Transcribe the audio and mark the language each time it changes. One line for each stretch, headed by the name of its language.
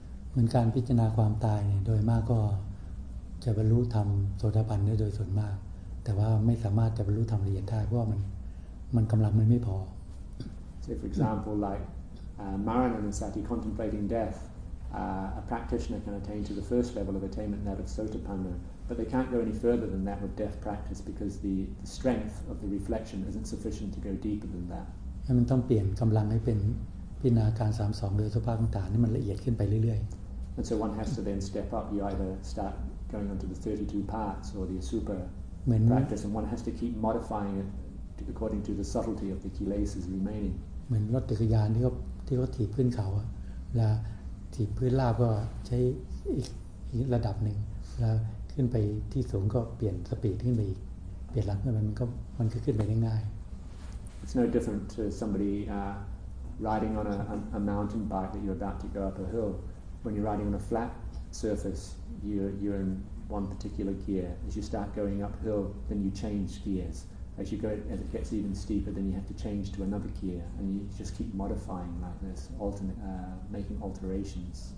Thai: เหมือนการพิจารณาความตายเนี่ยโดยมากก็จะบรรลุธรรมโสดาบันได้โดยส่วนมากแต่ว่าไม่สามารถจะบรรลุธรรมละเอียดได้เพราะมันกำลังมันไม่พอ
English: So for example, like Maranamsati contemplating death, a practitioner can attain to the first level of attainment, that of Sotapanna. But they can't go any further than that with death practice because the strength of the reflection isn't sufficient to go deeper than that.
Thai: มันต้องเปลี่ยนกำลังให้เป็นพิจารณาการ32โดยสภาพต่างๆนี่มันละเอียดขึ้นไปเรื่อย
English: ๆ And so one has to then step up. You either start going onto the 32 parts or the asupa practice, and one has to keep modifying it according to the subtlety of the kilesas remaining.
Thai: เหมือนรถจักรยานที่เขาถีบขึ้นเขาแล้วถีบพื้นราบก็ใช้อีกระดับหนึ่งแล้วขึ้นไปที่สูงก็เปลี่ยนสปีดขึ้นไปอีกเปลี่ยนหลังขึ้นไปมันก็ขึ้นไปง่าย
English: ๆ It's no different to somebody riding on a mountain bike that you're about to go up a hill. When you're riding on a flat surface, you're in one particular gear. As you start going uphill, then you change gears. As you go, as it gets even steeper, then you have to change to another gear, and you just keep modifying like this, making alterations.